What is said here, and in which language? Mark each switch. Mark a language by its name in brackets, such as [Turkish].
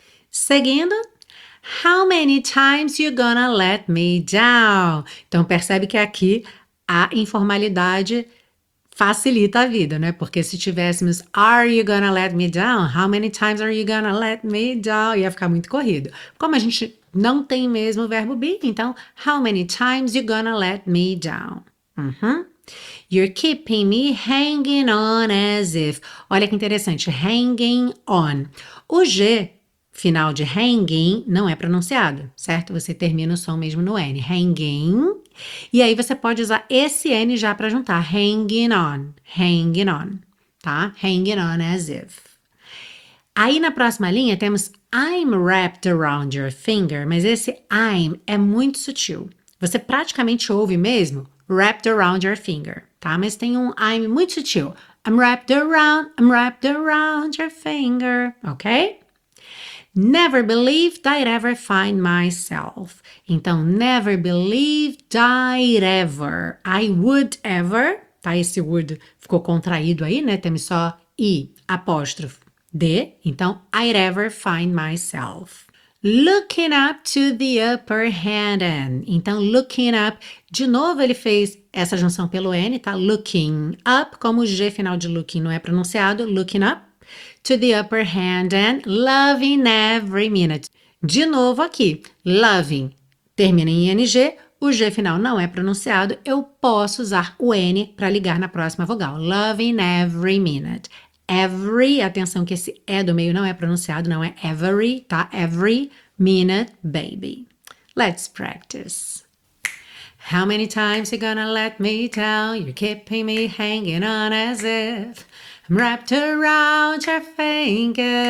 [Portuguese] Seguindo, [English] how many times you gonna let me down? [Portuguese] Então percebe que aqui a informalidade facilita a vida, né? Porque se tivéssemos [English] Are you gonna let me down? How many times are you gonna let me down? [Portuguese] Ia ficar muito corrido. Como a gente não tem mesmo o verbo be, então [English] How many times you gonna let me down? You're keeping me hanging on as if. [Portuguese] Olha que interessante, hanging on. O G final de hanging não é pronunciado, certo? Você termina o som mesmo no N. Hanging. E aí você pode usar esse N já para juntar. [English] Hanging on, tá? Hanging on as if. [Portuguese] Aí na próxima linha temos [English] I'm wrapped around your finger, [Portuguese] mas esse I'm é muito sutil. Você praticamente ouve mesmo [English] wrapped around your finger, [Portuguese] tá? Mas tem um I'm muito sutil. [English] I'm wrapped around your finger, ok? Never believed I'd ever find myself. [Portuguese] Então, [English] never believed I'd ever. I would ever. Tá? [Portuguese] Esse would ficou contraído aí, né? Temos só I, apóstrofo, D. Então, [English] I'd ever find myself. Looking up to the upper hand and. [Portuguese] Então, [English] looking up. [Portuguese] De novo, ele fez essa junção pelo N, tá? Looking up. Como o G final de looking não é pronunciado, [English] looking up. To the upper hand and loving every minute. [Portuguese] De novo aqui, loving termina em ing, o g final não é pronunciado, eu posso usar o n para ligar na próxima vogal. [English] Loving every minute. [Portuguese] Every, atenção que esse e do meio não é pronunciado, não é every, tá? [English] Every minute, baby. Let's practice. How many times you gonna let me down? You're keeping me hanging on as if. I'm wrapped around your finger.